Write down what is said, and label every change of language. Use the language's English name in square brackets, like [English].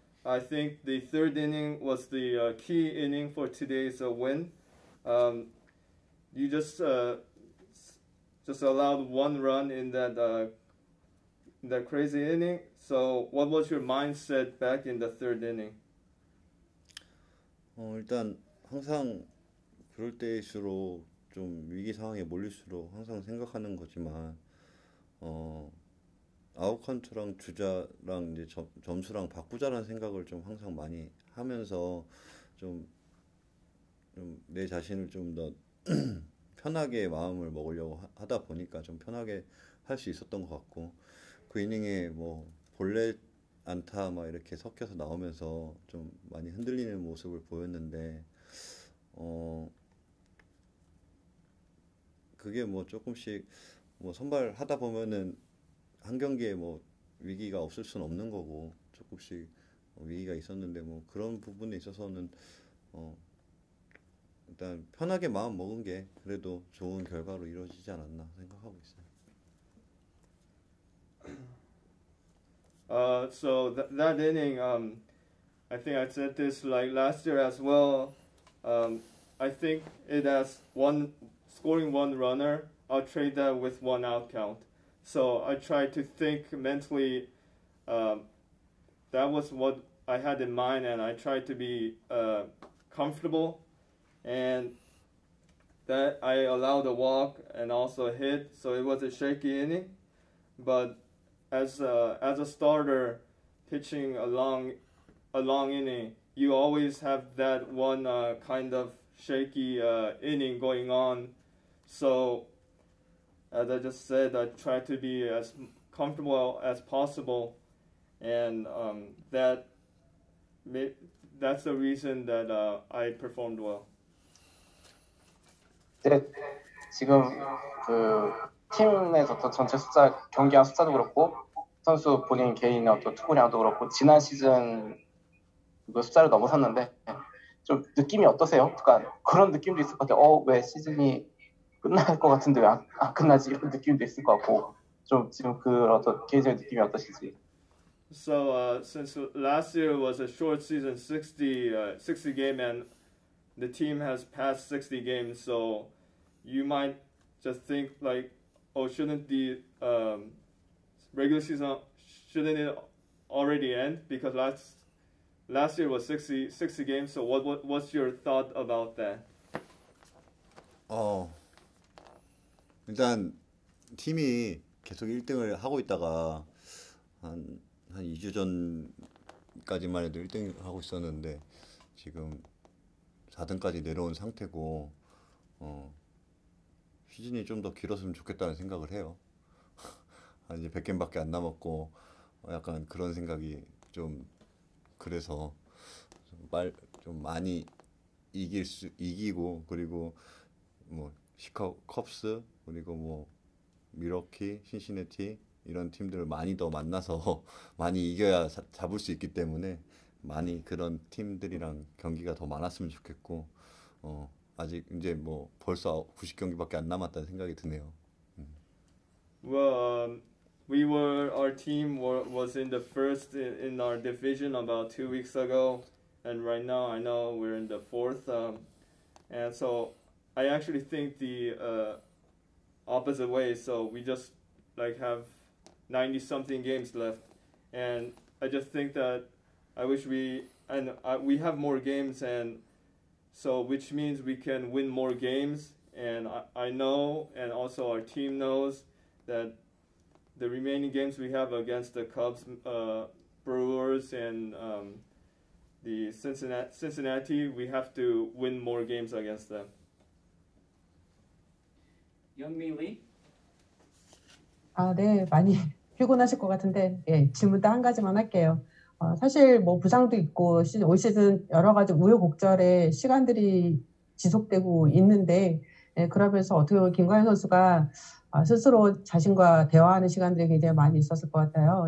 [English] I think the third inning was the key inning for today's win. You just allowed one run in that crazy inning. So what was your mindset back in the third inning? [Korean] 일단 항상 그럴 때일수록 좀 위기 상황에 몰릴수록 항상 생각하는 거지만 아웃 컨트롤랑 주자랑 이제 점수랑 바꾸자라는 생각을 좀 항상 많이 하면서 좀 내 자신을 좀 더 편하게 마음을 먹으려고 하다 보니까 좀 편하게 할 수 있었던 것 같고 그 이닝에 뭐 본래 안타 막 이렇게 섞여서 나오면서 좀 많이 흔들리는 모습을 보였는데 그게 뭐 조금씩 뭐 선발하다 보면은 한 경기에 뭐 위기가 없을 순 없는 거고 조금씩 위기가 있었는데 뭐 그런 부분에 있어서는 일단 편하게 마음 먹은 게 그래도 좋은 결과로 이루어지지 않았나 생각하고 있어요. [English] So that inning, I think I said this like last year as well. I think it has one scoring one runner. I'll trade that with one out count. So I tried to think mentally. That was what I had in mind, and I tried to be comfortable. And that I allowed a walk and also a hit. So it was a shaky inning, but. As a starter, pitching a long inning, you always have that one kind of shaky inning going on. So, as I just said, I try to be as comfortable as possible, and that's the reason that I performed well. [Korean] 네, 지금 팀에서 전체 숫자 경기한 숫자도 그렇고. 선수 본인 개인의 어떤 투구량도 그렇고 지난 시즌 그 숫자를 넘어섰는데 좀 느낌이 어떠세요? 그러니까 그런 느낌도 있을 것 같아요. 왜 시즌이 끝날 것 같은데 왜 안 끝나지? 이런 느낌도 있을 것 같고 좀 지금 그 어떤 개인적인 느낌이 어떠신지. [English] So since last year was a short season, 60 game, and the team has passed 60 games, so you might just think like, oh, shouldn't the regular season, shouldn't it already end? Because last year was 60 games, so what's your thought about that? [Korean] 일단 팀이 계속 1등을 하고 있다가 한 2주 전까지만 해도 1등 하고 있었는데 지금 4등까지 내려온 상태고 시즌이 좀더 길었으면 좋겠다는 생각을 해요. 이제 100겜밖에 안 남았고, 약간 그런 생각이 좀 그래서 좀 많이 이기고, 그리고 뭐 시카고 컵스, 그리고 뭐 미러키, 신시내티 이런 팀들을 많이 더 만나서 많이 이겨야 잡을 수 있기 때문에 많이 그런 팀들이랑 경기가 더 많았으면 좋겠고, 아직 이제 뭐 벌써 90경기밖에 안 남았다는 생각이 드네요. [English] Well, our team was in the first in our division about 2 weeks ago, and right now I know we're in the fourth. And so I actually think the opposite way. So we just like have 90 something games left, and I just think that I wish we and I, we have more games, and so which means we can win more games. And I know, and also our team knows that the remaining games we have against the Cubs, Brewers, and the Cincinnati, we have to win more games against them. Youngmi Lee? [Korean] 아, 네, 많이 피곤하실 것 같은데, 예, 질문도 한 가지만 할게요. 사실 뭐 부상도 있고 올 시즌 여러 가지 우여곡절의 시간들이 지속되고 있는데, 예, 그러면서 어떻게 보면 김광현 선수가 스스로 자신과 대화하는 시간들이 굉장히 많이 있었을 것 같아요.